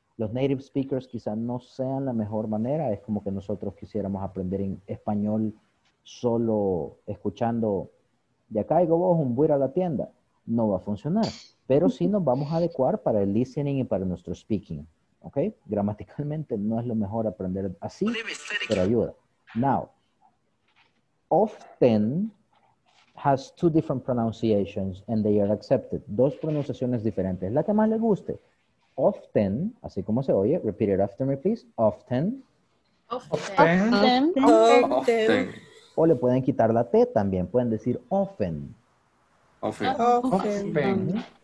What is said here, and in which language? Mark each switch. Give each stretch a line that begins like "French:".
Spanish: Los native speakers quizás no sean la mejor manera, es como que nosotros quisiéramos aprender en español solo escuchando de acá y vos un buir a la tienda. No va a funcionar, pero sí nos vamos a adecuar para el listening y para nuestro speaking, ¿ok? Gramaticalmente no es lo mejor aprender así, pero ayuda.
English: Now, often has two different pronunciations and they are accepted.
Spanish: Dos pronunciaciones diferentes, la que más le guste.
English: Often,
Spanish: así como se oye,
English: repeat it after me, please. Often. Often. Often. Often. Often.
Spanish: O le pueden quitar la T también, pueden decir often.
English: Often.